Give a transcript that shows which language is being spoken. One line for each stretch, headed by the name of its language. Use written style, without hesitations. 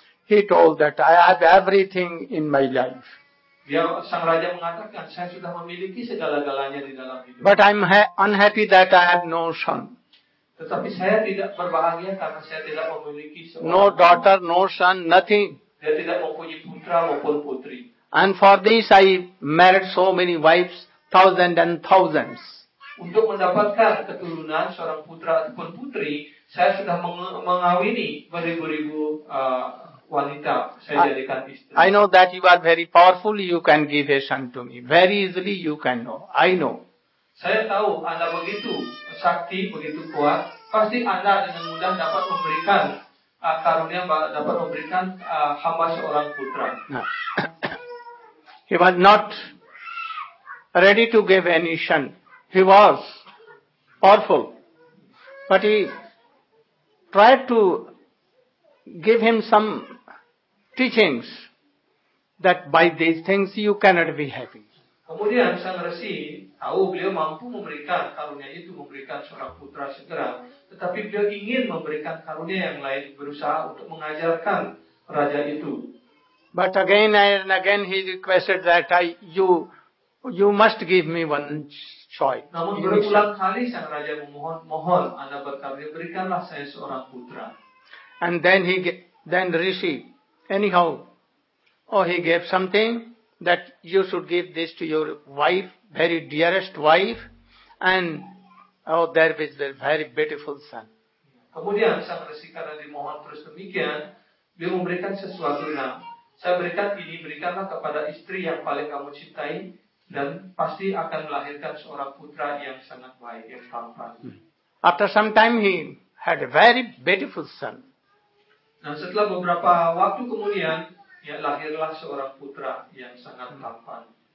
English: He told that I have everything in my life.
Indonesian: Dia, sang raja mengatakan, saya sudah memiliki segala-galanya di dalam hidup.
English: But I'm unhappy that I have no son.
Indonesian: Tetapi saya tidak berbahagia karena saya tidak memiliki seorang.
English: No daughter, no son, nothing.
Indonesian: Dia tidak mempunyai putra maupun putri.
English: And for this I married so many wives, thousands and thousands.
Indonesian: Untuk mendapatkan keturunan seorang putra ataupun putri, saya sudah mengawini beribu-ribu wanita. Saya jadikan istri.
English: I know that you are very powerful. You can give a son to me very easily. You can know. I know.
Indonesian: Saya tahu Anda begitu sakti, begitu kuat. Pasti Anda dengan mudah dapat memberikan karunia, dapat memberikan hamba seorang putra.
English: No. He was not ready to give any son. He was powerful, but he tried to give him some teachings that by these things you cannot be happy.
Indonesian: Kemudian sang resi tahu beliau mampu memberikan karunia itu, memberikan seorang putra segera, tetapi beliau ingin memberikan karunia yang lain, berusaha untuk mengajarkan raja itu.
English: But again and again he requested that you must give me one choice.
Indonesian: Namun berulang kali sang raja memohon Anda berkarunia, berikanlah saya seorang putra.
English: And then Rishi anyhow, he gave something that you should give this to your wife, very dearest wife, and there is a very beautiful son.
Indonesian: Kemudian sang resi karena dimohon terus demikian, dia memberikan sesuatu. Nah, saya berikan ini, berikanlah kepada istri yang paling kamu cintai, dan pasti akan melahirkan seorang putra yang sangat baik, yang tampan.
English: After some time he had a very beautiful son.
Indonesian: Nah, setelah beberapa waktu kemudian, ya lahirlah seorang putra yang sangat tampan.